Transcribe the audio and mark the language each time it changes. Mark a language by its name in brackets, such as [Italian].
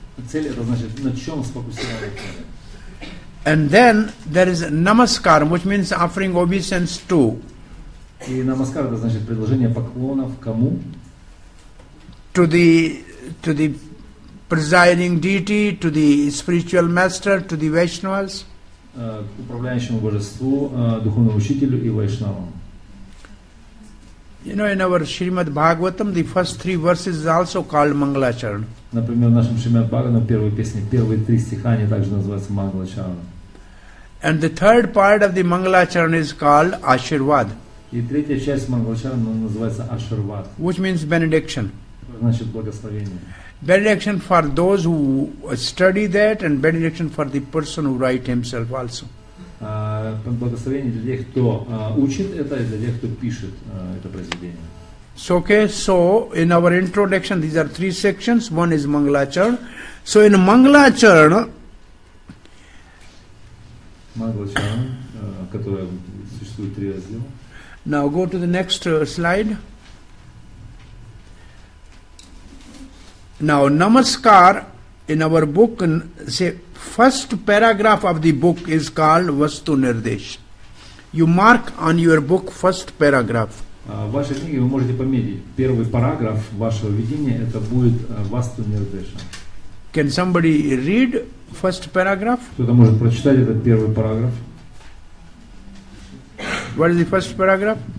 [Russian] Цель это значит на чем сфокусировано. [English] And then there is намаскар, which means offering obeisance to. [Russian] И намаскар это значит предложение поклонов кому? [English] To the presiding deity, to the spiritual master, to the Vaishnavas. [Russian] К управляющему божеству, духовному учителю и Вайшнавам. [English] You know, in our Srimad Bhagavatam, the first three verses is also called Mangalacharan. [Russian] Например, в нашем Шримад Бхагаватам первой песне первые три стиха они также называются Мангалачарана. [English] And the third part of the Mangalacharan is called Аширвад. [Russian] И третья часть Мангалачарана называется Аширвад. [English] Which means benediction. [Russian] Значит благословение. [English] Benediction for those who study that, and benediction for the person who writes himself also. [Russian] Благословение для тех, кто учит это, и для тех, кто пишет это произведение. [English] So, okay, so in our introduction, these are three sections. One is Mangalacharan. So in Mangalacharan, now go to the next slide. Now, Namaskar, in our book, say, first paragraph of the book is called Vastu Nirdesh. You mark on your book first paragraph. [Russian] В вашей книге вы можете пометить первый параграф вашего видения, это будет Vastu Nirdesha. [English] Can somebody read first paragraph? [Russian] Кто-то может прочитать этот первый параграф? [English] What is the first paragraph?